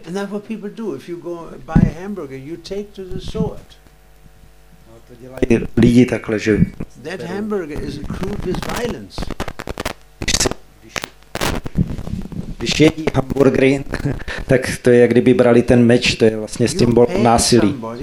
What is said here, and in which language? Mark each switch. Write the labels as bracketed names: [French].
[English] And that's what people do. If you go buy a hamburger, you take to the sword. [Czech] No, to dělají lidi takhle, že [English] that hamburger is a crude with violence. [Czech] Když jedí hamburgery, tak to je, jak kdyby brali ten meč, to je vlastně symbol násilí.